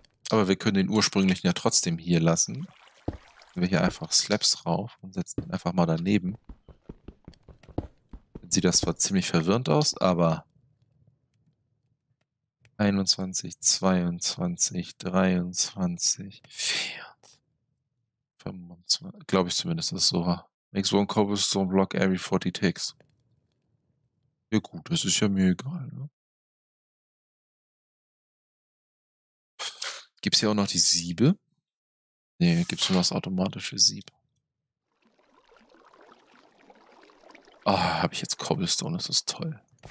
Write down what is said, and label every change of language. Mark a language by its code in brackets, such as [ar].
[de] Aber wir können den ursprünglichen ja trotzdem hier lassen. Nehmen wir hier einfach Slabs drauf und setzen ihn einfach mal daneben. Jetzt sieht das zwar ziemlich verwirrend aus, aber 21, 22, 23, 24, 25, glaube ich zumindest, das ist so. [en] Makes one cobblestone block every 40 ticks. [de] Ja gut, das ist ja mir egal, ne? Gibt es hier auch noch die Siebe? Ne, gibt es nur das automatische Sieb. Ah, oh, habe ich jetzt Cobblestone, das ist toll.